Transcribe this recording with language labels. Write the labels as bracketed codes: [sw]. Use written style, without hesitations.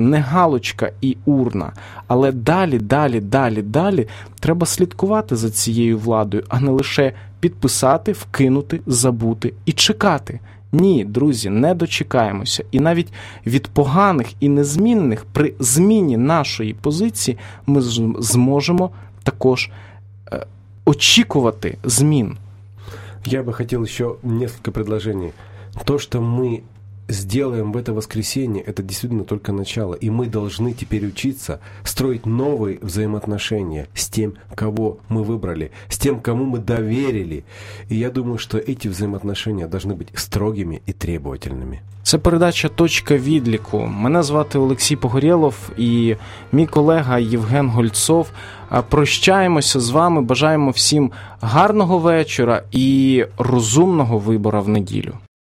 [uk] Не галочка і урна. Але далі треба слідкувати за цією владою, а не лише підписати, вкинути, забути і чекати. Ні, друзі, не дочекаємося. І навіть від поганих і незмінних при зміні нашої позиції ми зможемо також очікувати змін. Я би хотів ще [ru] несколько предложений. То, що ми сделаем в это воскресенье, это действительно только начало. И мы должны теперь учиться строить новые взаимоотношения с тем, кого мы выбрали, с тем, кому мы доверили. И я думаю, что эти взаимоотношения должны быть строгими и требовательными. [uk] Це передача «Точка відліку». Мене звати Олексій Погорєлов і мій колега Євген Гольцов. Прощаємося з вами, бажаємо всім гарного вечора і розумного вибору в неділю.